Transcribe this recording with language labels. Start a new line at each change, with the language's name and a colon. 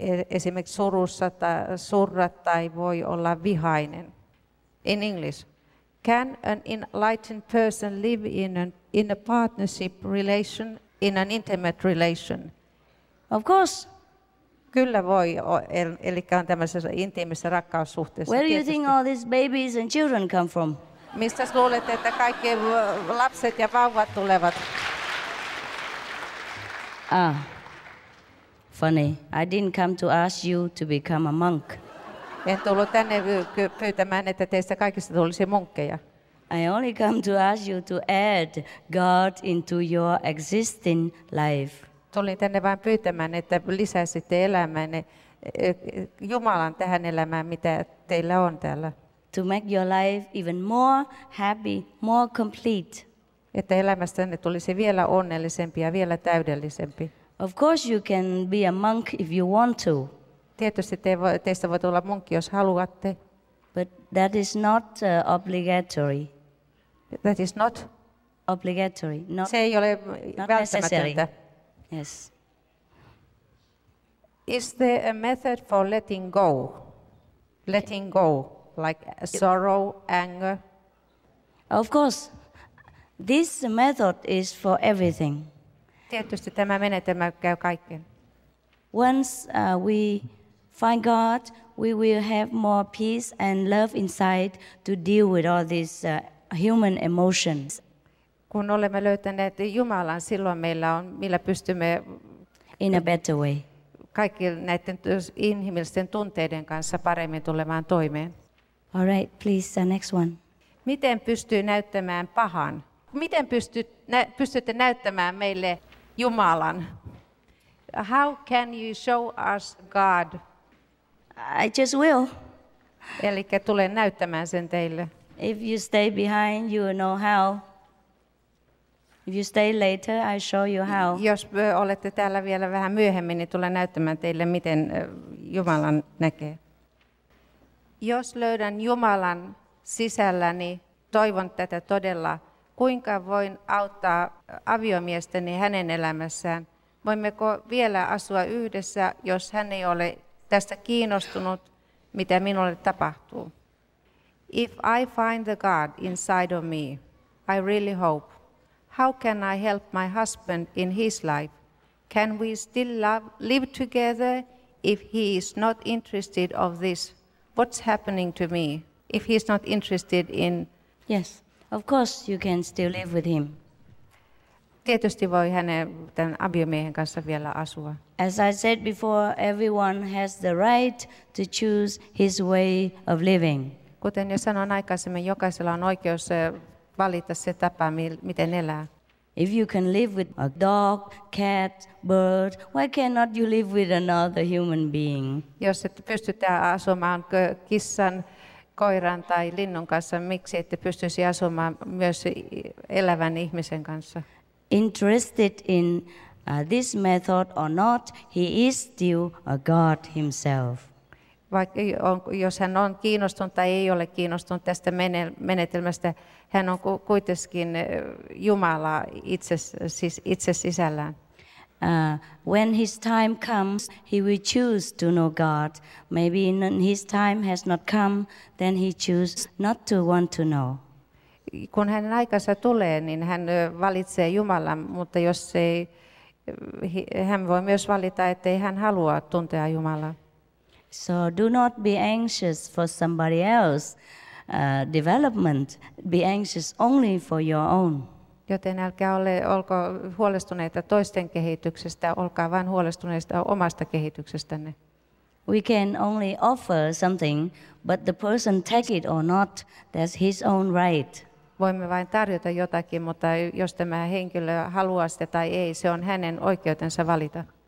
Finnish: Esimerkiksi surussa tai surra tai voi olla vihainen.
English: In English, can an enlightened person live in a partnership relation, in an intimate relation? Of course,
Finnish: Kyllä voi, eli on tämmöisessä intiimissä rakkaussuhteessa.
English: Where do you think all these babies and children come from?
Finnish: Mistä luulet, että kaikki lapset ja vauvat tulevat?
English: Ah, funny. I didn't come to ask you to become a monk.
Finnish: En tullut tänne pyytämään, että teistä kaikista tulisi munkkeja.
English: I only come to ask you to add God into your existing life.
Finnish: Tulin tänne vain pyytämään, että lisäsitte elämään Jumalan tähän elämään, mitä teillä on täällä.
English: To make your life even more happy, more complete.
Finnish: Että elämästänne tulisi vielä onnellisempi ja vielä täydellisempi.
English: Of course you can be a monk if you want to.
Finnish: Tietysti teistä voi tulla munkki, jos haluatte.
English: But that is not obligatory. That is not? Obligatory. Not,
Finnish: se ei ole
English: not
Finnish: välttämätöntä.
English: Necessary. Yes. Is there a method for letting go? Letting go, like sorrow, anger? Of course. This method is for everything.
Finnish: Tietysti tämä menetelmä käy kaikkeen.
English: Once we find God, we will have more peace and love inside to deal with all these human emotions.
Finnish: Kun olemme löytäneet Jumalan, silloin meillä on, millä pystymme
English: in a better way.
Finnish: Kaikki näiden inhimillisten tunteiden kanssa paremmin tulemaan toimeen.
English: All right, please, the next one.
Finnish: Miten pystyy näyttämään pahan? Miten pystytte näyttämään meille Jumalan?
English: How can you show us God? I just will.
Finnish: Eli tulen näyttämään sen teille.
English: If you stay behind, you know how. If you stay later, I show you how.
Finnish: Jos olette täällä vielä vähän myöhemmin, niin tulen näyttämään teille, miten Jumalan näkee. Jos löydän Jumalan sisälläni, toivon tätä todella, kuinka voin auttaa aviomiestäni hänen elämässään? Voimmeko vielä asua yhdessä, jos hän ei ole tästä kiinnostunut, mitä minulle tapahtuu?
English: If I find the God inside of me, I really hope. How can I help my husband in his life? Can we still live together if he is not interested of this? What's happening to me if he's not interested in... Yes, of course you can still live with him.
Finnish: Tietysti voi hänen tämän aviomiehen kanssa vielä asua.
English: As I said before, everyone has the right to choose his way of living.
Finnish: Kuten jo sanoin aikaisemmin, jokaisella on oikeus valita se tapa, miten elää.
English: If you can live with a dog, cat, bird, why cannot you live with another human being?
Finnish: Jos et pystytään asumaan kissan, koiran tai linnun kanssa, miksi ette pystyisi asumaan myös elävän ihmisen kanssa?
English: Interested in this method or not, he is still a God himself.
Finnish: Vaikka jos hän on kiinnostunut tai ei ole kiinnostunut tästä menetelmästä, hän on kuitenkin Jumala itse sisällään.
English: When his time comes, he will choose to know God. Maybe his time has not come, then he chooses not to want to know.
Finnish: Kun hänen aikansa tulee, niin hän valitsee Jumalan, mutta jos ei, hän voi myös valita, että ei hän halua tuntea Jumalaa.
English: So do not be anxious for somebody else's development. Be anxious only for your own.
Finnish: Joten älkää olko huolestuneita toisten kehityksestä, olkaa vain huolestuneista omasta kehityksestänne.
English: We can only offer something, but the person take it or not, that's his own right.
Finnish: Voimme vain tarjota jotakin, mutta jos tämä henkilö haluaa sitä tai ei, se on hänen oikeutensa valita.